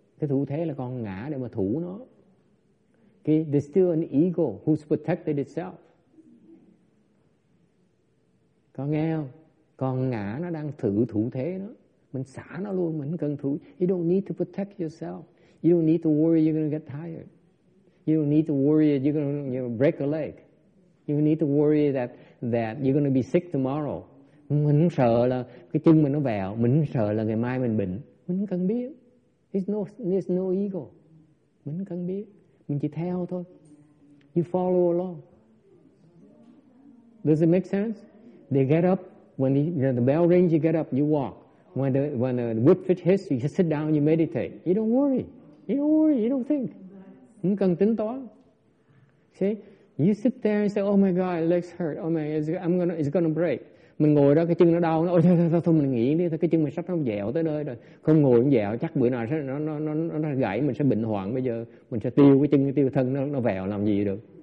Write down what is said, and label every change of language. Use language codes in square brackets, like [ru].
[vi] Cái thủ thế là con ngã để mà thủ nó. Okay? [en] There's still an ego who's protected itself. [vi] Con nghe không? Con ngã nó đang thủ thế nó. Mình xả nó luôn, mình không cần thủ. [en] You don't need to protect yourself. You don't need to worry you're going to get tired. You don't need to worry that you're going to break a leg. You don't need to worry that you're going to be sick tomorrow. [vi] Mình sợ là cái chân mình nó vẹo. Mình sợ là ngày mai mình bệnh. Mình không cần biết. [en] There's no ego. [vi] Mình không cần biết. Mình chỉ theo thôi. [en] You follow along. Does it make sense? They get up, when the bell rings, you get up, you walk. When the whip fit hits, you just sit down, you meditate. You don't worry. You don't worry, you don't think. [vi] Không cần tính toán. [en] See? You sit there and say, oh my God, legs hurt. Oh my, it's gonna break. [vi] Mình ngồi đó, cái chân nó đau. Ôi thôi, thôi mình nghỉ đi. Thôi, cái chân mình sắp nó dẻo tới nơi rồi. Không ngồi nó dẻo, chắc bữa nào sẽ, nó gãy, mình sẽ bệnh hoạn bây giờ. Mình sẽ tiêu cái chân, tiêu thân, nó vẹo làm gì được.